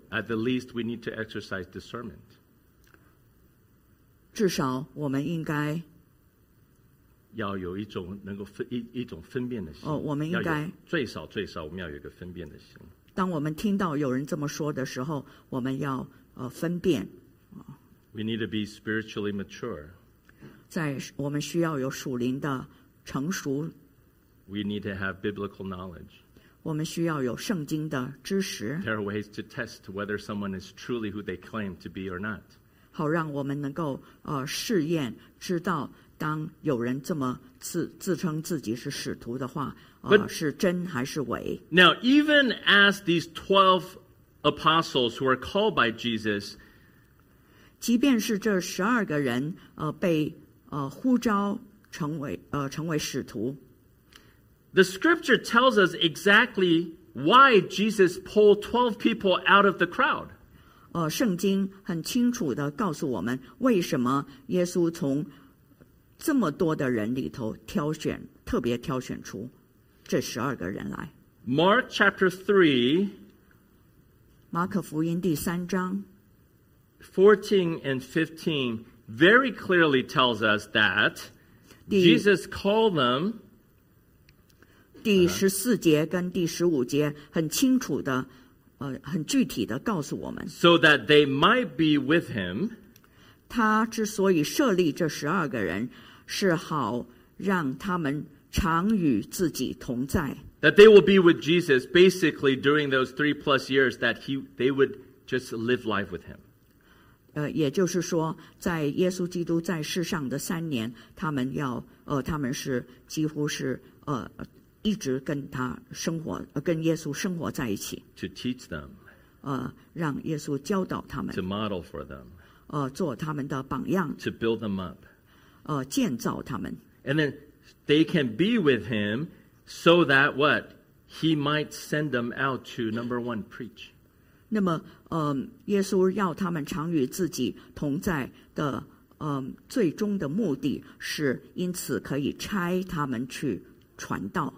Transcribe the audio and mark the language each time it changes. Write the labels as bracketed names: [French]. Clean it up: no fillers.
[English] At the least, we need to exercise discernment. [Chinese] 至少我们应该要有一种能够一种分辨的心。哦，我们应该最少最少我们要有一个分辨的心。当我们听到有人这么说的时候，我们要分辨。 [English] We need to be spiritually mature. [Chinese] 在我们需要有属灵的成熟。 [English] We need to have biblical knowledge. [Chinese] 我们需要有圣经的知识。 [English] There are ways to test whether someone is truly who they claim to be or not. [Chinese] 好让我们能够试验，知道当有人这么自称自己是使徒的话，是真还是伪。 [English] Now, even as these 12 apostles who are called by Jesus, [Chinese] 即便是这十二个人被呼召成为使徒。 [English] The scripture tells us exactly why Jesus pulled 12 people out of the crowd. [Chinese] 圣经很清楚地告诉我们为什么耶稣从这么多的人里头挑选，特别挑选出这十二个人来。 [English] Mark chapter 3, [Chinese] 马可福音第三章 [English] 14 and 15 very clearly tells us that Jesus called them. [Chinese] 第十四节跟第十五节很清楚的，很具体的告诉我们。 [English] So that they might be with him. [Chinese] 他之所以设立这十二个人，是好让他们常与自己同在。 [English] That they will be with Jesus basically during those 3+ years that they would just live life with him. [Chinese] 也就是说，在耶稣基督在世上的三年，他们是几乎是一直跟他生活，跟耶稣生活在一起。 [English] To teach them. [Chinese] 让耶稣教导他们。 [English] To model for them. [Chinese] 做他们的榜样。 [English] To build them up. [Chinese] 建造他们。 [English] And then they can be with him so that what? He might send them out to number one, preach. [Chinese] 那么耶稣要他们常与自己同在的最终的目的是因此可以差他们去传道。